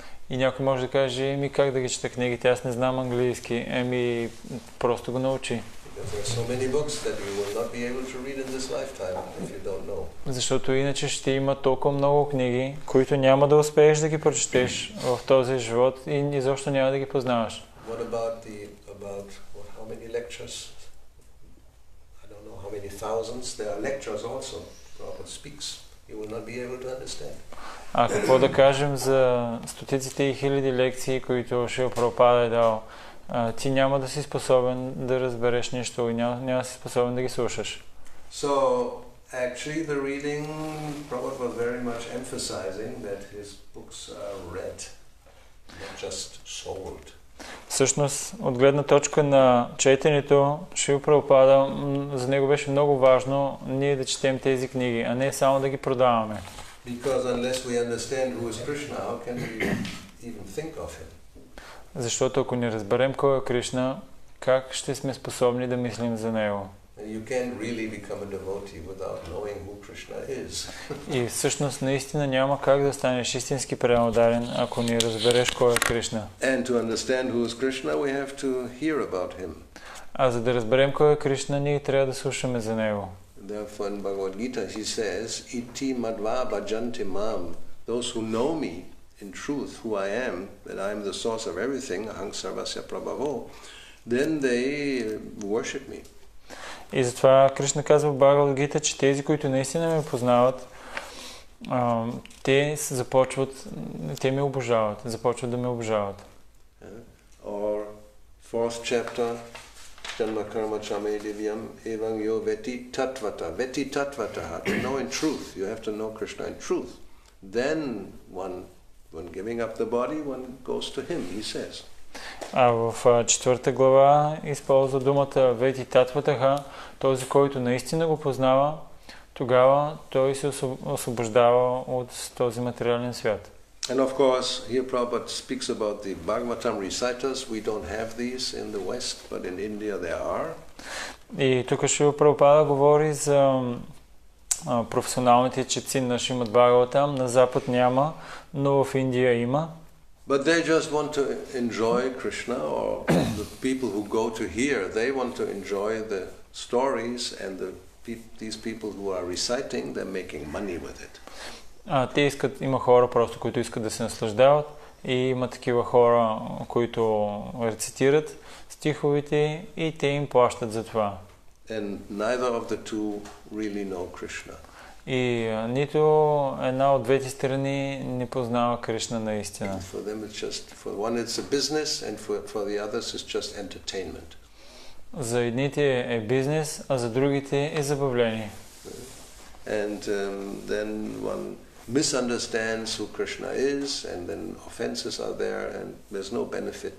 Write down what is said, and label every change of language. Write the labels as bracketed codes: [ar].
[bg] И някой може да каже, ми как да ги чета книгите, аз не знам английски, еми просто го научи. [en] There are so many books that you will not be able to read in this lifetime if you don't know. [bg] Защото иначе ще има толкова много книги, които няма да успееш да ги прочетеш в този живот и изобщо няма да ги познаваш. [en] What about how many lectures? I don't know how many thousands. There are lectures also. Prabhupada speaks. You will not be able to understand. [bg] А какво да кажем за стотиците и хиляди лекции, които Шрила Прабхупада е дал? ти няма да си способен да разбереш нищо и няма да си способен да ги слушаш. [en] So actually the reading Prabhupada was very much emphasizing that his books are read, not just sold. [bg] Всъщност, от гледна точка на четенето, Шрила Прабхупада, за него беше много важно ние да четем тези книги, а не само да ги продаваме. [en] Because unless we understand who is Krishna, how can we even think of him? [bg] Защото ако не разберем кой е Кришна, как ще сме способни да мислим за него? [en] You can't really become a devotee without knowing who Krishna is. [bg] И всъщност наистина няма как да станеш истински преамударен, ако не разбереш кой е Кришна. [en] And to understand who is Krishna, we have to hear about him. [bg] А за да разберем кой е Кришна, ние трябва да слушаме за него. [en] Therefore in Bhagavad Gita he says, [sa] Iti madva bhajanti mam, [en] those who know me in truth, who I am, that I am the source of everything, [sa] ahang sarvasya prabhavo, [en] then they worship me. [bg] И затова Кришна казва в Бхагавад Гита, че тези, които наистина ме познават, те започват, те ме обожават, започват да ме обожават. [en] Or fourth chapter, [sa] Janma Karma Chame Divyam Evang Yo Veti Tattvata, [en] Veti Tattvata, to know in truth, you have to know Krishna in truth. Then one, when giving up the body, one goes to him, he says. [bg] А в четвърта глава използва думата Вети Татватаха, този, който наистина го познава, тогава той се освобождава от този материален свят. [en] And of course, here Prabhupada speaks about the Bhagavatam reciters. We don't have these in the West, but in India there are. [bg] И тук Шрила Прабхупада говори за професионалните четци на Шримад Бхагаватам. На Запад няма, но в Индия има. [en] But they just want to enjoy Krishna, or the people who go to hear, they want to enjoy the stories, and the these people who are reciting, they're making money with it. [bg] Те искат, има хора просто, които искат да се наслаждават, и има такива хора, които рецитират стиховите, и те им плащат за това. [en] And neither of the two really know Krishna. [bg] И нито една от двете страни не познава Кришна наистина. [en] For them it's just, for one it's a business, and for the others it's just entertainment. [bg] За едните е бизнес, а за другите е забавление. [en] And then one misunderstands who Krishna is, and then offenses are there, and there's no benefit.